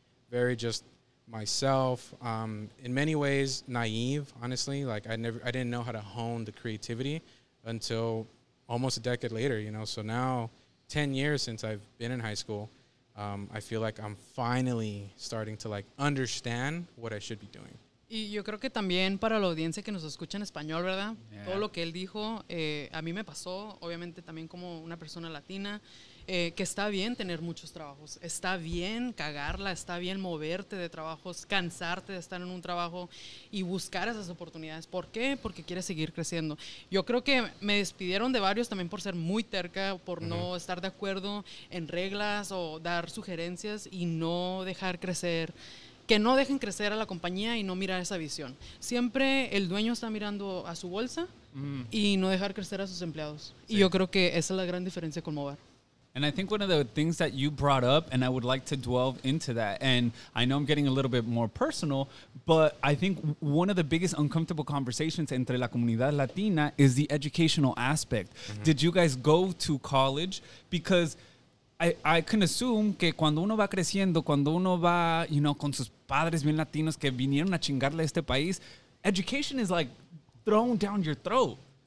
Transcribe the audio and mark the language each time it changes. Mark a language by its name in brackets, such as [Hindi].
[English] very just myself. In many ways, naive, honestly. Like, I didn't know how to hone the creativity until almost a decade later, you know. So now, 10 years since I've been in high school, I feel like I'm finally starting to, like, understand what I should be doing. [Spanish] Y yo creo que también para la audiencia que nos escucha en español, ¿verdad? Yeah. Todo lo que él dijo, a mí me pasó, obviamente también como una persona latina, que está bien tener muchos trabajos, está bien cagarla, está bien moverte de trabajos, cansarte de estar en un trabajo y buscar esas oportunidades. ¿Por qué? Porque quieres seguir creciendo. Yo creo que me despidieron de varios también por ser muy terca, por mm-hmm. no estar de acuerdo en reglas o dar sugerencias y no dejar crecer. Que no dejen crecer a la compañía y no mirar esa visión. Siempre el dueño está mirando a su bolsa y no dejar crecer a sus empleados. Sí. Y yo creo que esa es la gran diferencia con Mobar. [English] And I think one of the things that you brought up, and I would like to delve into that, and I know I'm getting a little bit more personal, but I think one of the biggest uncomfortable conversations [Spanish] entre la comunidad latina [English] is the educational aspect. Mm-hmm. Did you guys go to college? Because I can assume [Spanish] que cuando uno va creciendo, cuando uno va, [English] you know, [Spanish] con sus padres bien latinos que vinieron a chingarle a este país, [English] education is like thrown down your throat.